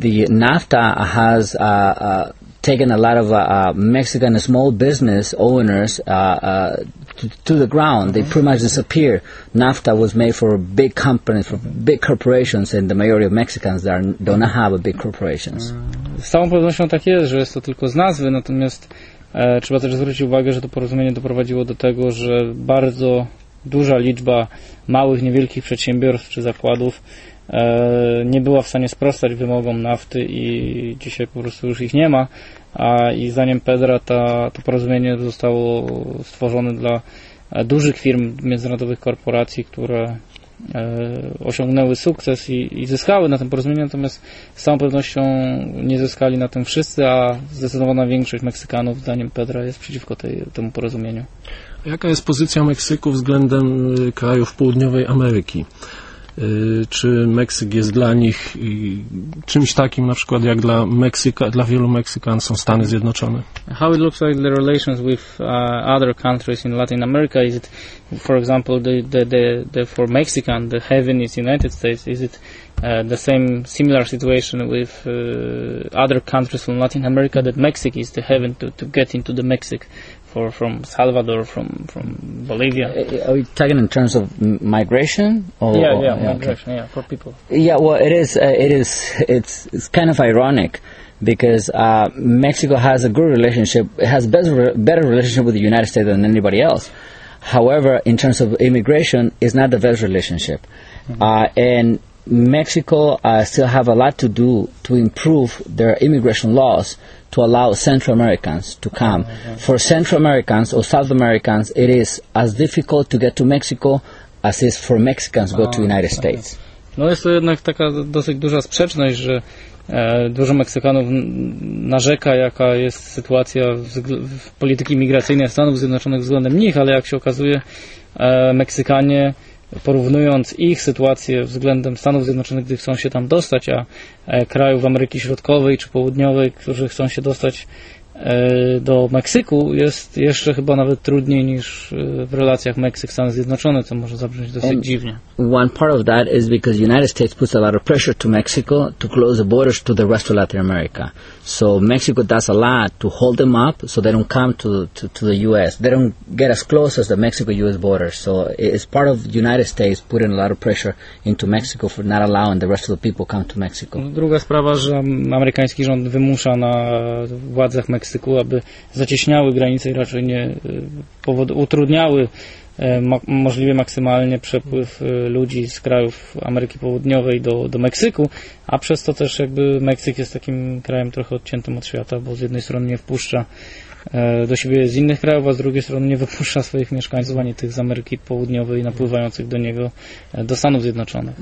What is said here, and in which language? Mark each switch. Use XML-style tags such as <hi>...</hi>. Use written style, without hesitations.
<en>The NAFTA has taken a lot of Mexican small business owners to the ground. They pretty much disappear. NAFTA was made for big companies, for big corporations, and the majority of Mexicans do not have big corporations.</en> <pl>Z całą pewnością tak jest, że jest to tylko z nazwy, natomiast trzeba też zwrócić uwagę, że to porozumienie doprowadziło do tego, że bardzo duża liczba małych, niewielkich przedsiębiorstw czy zakładów nie była w stanie sprostać wymogom NAFTY i dzisiaj po prostu już ich nie ma. I zdaniem Pedra to porozumienie zostało stworzone dla dużych firm, międzynarodowych korporacji, które osiągnęły sukces i zyskały na tym porozumieniu, natomiast z całą pewnością nie zyskali na tym wszyscy, a zdecydowana większość Meksykanów, zdaniem Pedra, jest przeciwko temu porozumieniu. Jaka jest pozycja Meksyku względem krajów południowej Ameryki? Czy Meksyk jest dla nich czymś takim, na przykład jak dla Meksyka, dla wielu Meksykan są Stany Zjednoczone?</pl> <en>How it looks like the relations with other countries in Latin America? Is it, for example, the for Mexican, the heaven is United States? Is it the same similar situation with other countries from Latin America that Mexico is the heaven to get into the Mexico? For from Salvador, from Bolivia. Are we talking in terms of migration? Migration, for people. Yeah, well, it's kind of ironic, because Mexico has a good relationship. It has better relationship with the United States than anybody else. However, in terms of immigration, it's not the best relationship, and Mexico still have a lot to do to improve their immigration laws to allow Central Americans to come. Okay. For Central Americans or South Americans, it is as difficult to get to Mexico as is for Mexicans go to United States.</en> <pl>No jest to jednak taka dosyć duża sprzeczność, że dużo Meksykanów narzeka, jaka jest sytuacja w polityki migracyjnej Stanów Zjednoczonych względem nich, ale jak się okazuje, Meksykanie, porównując ich sytuację względem Stanów Zjednoczonych, gdy chcą się tam dostać, a krajów Ameryki Środkowej czy Południowej, którzy chcą się dostać do Meksyku, jest jeszcze chyba nawet trudniej niż w relacjach Meksyk-Stany Zjednoczone, co może zabrzmieć dosyć dziwnie.</pl> <en>One part of that is because the United States puts a lot of pressure to Mexico to close the borders to the rest of Latin America. So Mexico does a lot to hold them up so they don't come to the U.S. They don't get as close as the Mexico-U.S. border. So it's part of the United States putting a lot of pressure into Mexico for not allowing the rest of the people come to Mexico.</en> <pl>Druga sprawa, że amerykański rząd wymusza na władzach Meksyku, aby zacieśniały granice i raczej nie utrudniały możliwie maksymalnie przepływ ludzi z krajów Ameryki Południowej do Meksyku, a przez to też jakby Meksyk jest takim krajem trochę odciętym od świata, bo z jednej strony nie wpuszcza do siebie z innych krajów, a z drugiej strony nie wypuszcza swoich mieszkańców, ani tych z Ameryki Południowej napływających do niego, do Stanów Zjednoczonych.</pl>